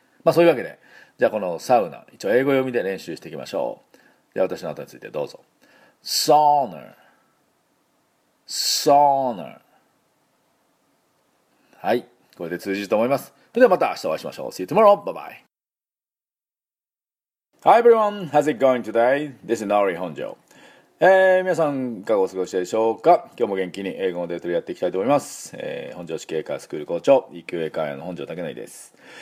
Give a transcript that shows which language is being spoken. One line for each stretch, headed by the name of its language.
Japanese: まあそういうわけで、じゃあこのサウナ、一応英語読みで練習していきましょう。じゃあ私の後についてどうぞ。サウナ、サウナ、はい、これで通じると思います。それではまた明日お会いしましょう。
English: See you tomorrow, bye bye. Hi everyone, how's it going today? This is Naori Honjo.
Japanese: 皆さんいかがお過ごしでしょうか。今日も元気に英語のデートリーやっていきたいと思います。本庄市経営スクール校長、一級英会話の本庄武成です。